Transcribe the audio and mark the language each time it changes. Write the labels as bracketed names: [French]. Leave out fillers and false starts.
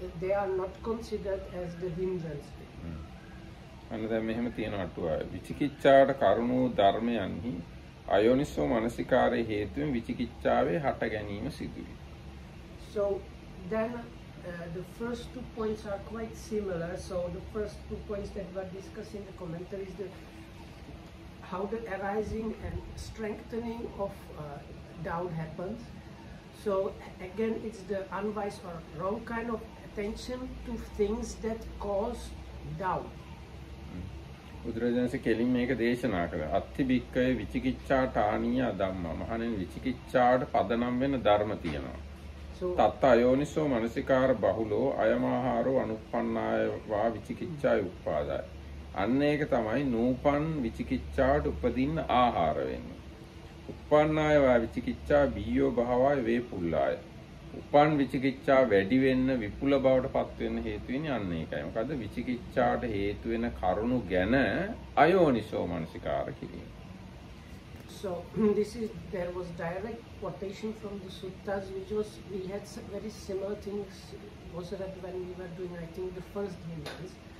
[English] They are not considered as the hindrance. [Sinhala] අන්න දැන් මෙහෙම තියෙනවා අටුව විචිකිච්ඡාට කරුණෝ ධර්මයන්හි අයෝනිසෝ මානසිකාරේ හේතුවෙන් විචිකිච්ඡාවේ හට ගැනීම සිදුවේ. [English] So then the first two points are quite similar. So the first two points that we're discussing the commentary is the how the arising and strengthening of doubt happens. So again it's the unwise or wrong kind of attention to things that cause doubt. [Sinhala] බුදුරජාණන්සේ කෙලින් මේක දේශනා කළා. [Pali] අත්ති බික්කය විචිකිච්ඡා තානීය ධම්ම. [Sinhala] මහණෙනි විචිකිච්ඡාට පදනම් වෙන ධර්ම තියෙනවා. [Pali] තත්ත අයෝනිසෝ මනසිකාර බහුලෝ අයමාහාරෝ අනුප්පන්නාය වා විචිකිච්ඡාය උප්පාදාය. [Sinhala] අන්න ඒක තමයි නූපන් විචිකිච්ඡාට උපදින්න ආහාර වෙන්නේ. [Pali] උප්පන්නාය වා විචිකිච්ඡා බීයෝ භවාය වේ පුල්ලාය. [Sinhala] උපන් විචිකිච්ඡා වැඩි වෙන්න විපුල බවට පත් වෙන්න හේතු වෙන අන්න ඒකයි. මොකද විචිකිච්ඡාට හේතු වෙන කරුණු ගැන අයෝනිසෝ මනසිකාර කිරීම. [English] So this is there was direct quotation from the suttas which was we had very similar things was it that when we were doing I think the first hindrance.